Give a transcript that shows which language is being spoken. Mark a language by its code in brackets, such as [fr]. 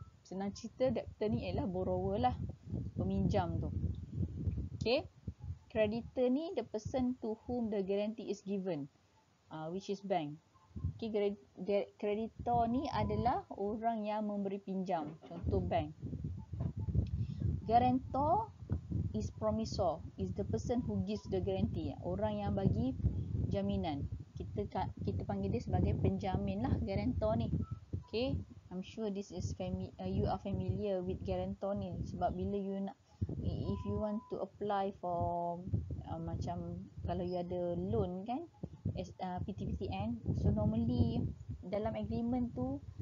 [ms] Senang cerita, debtor ni ialah borrower lah, peminjam tu. [en] Okay, creditor ni the person to whom the guarantee is given, which is bank. [ms] Okay, creditor ni adalah orang yang memberi pinjam, contoh bank. [en] Guarantor is promisor, is the person who gives the guarantee, [ms] orang yang bagi jaminan. Kita panggil dia sebagai penjamin lah, guarantor ni. [en] Okay, I'm sure this is you are familiar with guarantor ni, [ms] sebab bila you nak, [en] if you want to apply for [ms] macam kalau you ada loan kan, [en] PTPTN, so normally [ms] dalam agreement tu